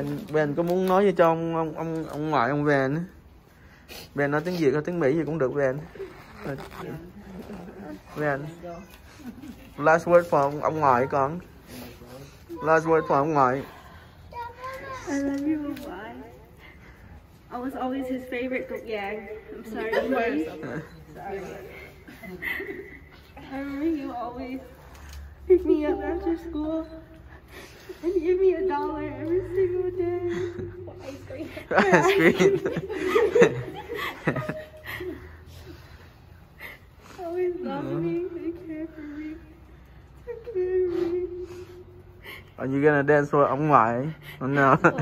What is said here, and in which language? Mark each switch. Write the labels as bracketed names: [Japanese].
[Vietnamese] Vèn có muốn nói gì cho ông ngoại ông Vèn? Vèn nói tiếng Việt hay tiếng Mỹ gì cũng được Vèn. [English] Vèn. Last word for [Vietnamese] ông ngoại con. [English] Last word for ông ngoại. I love you, ngoại. I was always his favorite cook. Yeah, I'm sorry. I remember you always pick me up after school and give me a dollar every single day. For ice cream. Ice cream. Always love me, they care for me. Are you gonna dance for ông ngoại? Oh, no.